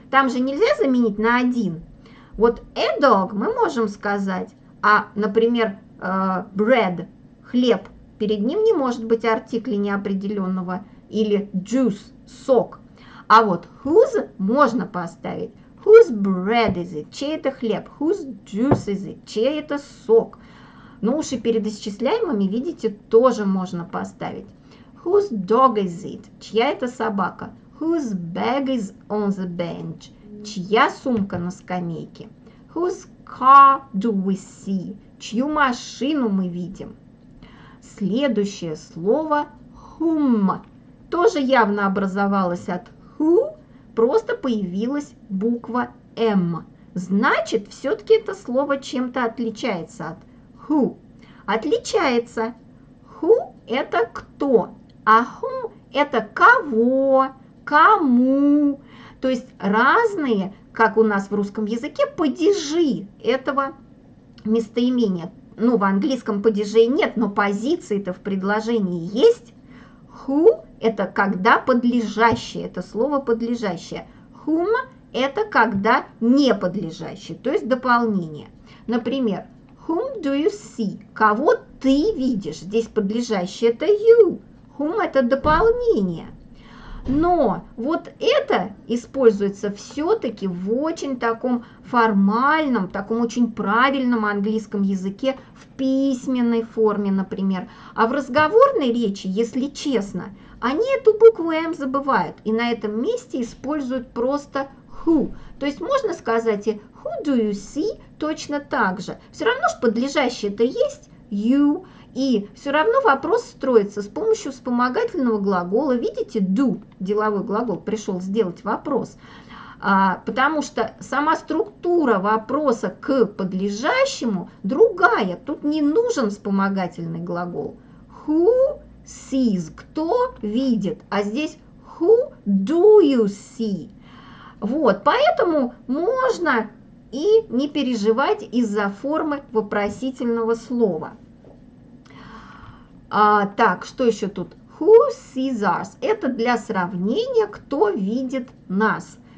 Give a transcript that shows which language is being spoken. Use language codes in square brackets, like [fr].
[ru] Там же нельзя заменить на один. Вот a dog мы можем сказать, а, например, bread, хлеб, перед ним не может быть артикля неопределенного, или juice, сок. А вот whose можно поставить. [en] Whose bread is it? [ru] Чей это хлеб? [en] Whose juice is it? [ru] Чей это сок? Ну уж и перед исчисляемыми, видите, тоже можно поставить. [en] Whose dog is it? [ru] Чья это собака? [en] Whose bag is on the bench? [ru] Чья сумка на скамейке? [en] Whose car do we see? [ru] Чью машину мы видим? Следующее слово whom тоже явно образовалось от who, просто появилась буква M. Значит, все-таки это слово чем-то отличается от who. Отличается. Who – это кто, а whom – это кого, кому. То есть разные, как у нас в русском языке, падежи этого местоимения. Ну, в английском падежей нет, но позиции-то в предложении есть. Who – это когда подлежащее, это слово подлежащее. Whom – это когда не подлежащее, то есть дополнение. Например, [en] whom do you see? [ru] Кого ты видишь? Здесь подлежащее это you. Whom – это дополнение. Но вот это используется все-таки в очень таком формальном, таком очень правильном английском языке, в письменной форме, например. А в разговорной речи, если честно, они эту букву M забывают и на этом месте используют просто who. То есть можно сказать и [en] who do you see [ru] точно так же. Все равно ж подлежащее-то есть you. И все равно вопрос строится с помощью вспомогательного глагола. Видите, do, деловой глагол, пришел сделать вопрос. Потому что сама структура вопроса к подлежащему другая. Тут не нужен вспомогательный глагол. [en] Who sees, [ru] кто видит. А здесь [en] who do you see. [ru] Вот, поэтому можно и не переживать из-за формы вопросительного слова. Так, что еще тут? [en] Who sees us? [ru] Это для сравнения, кто видит нас.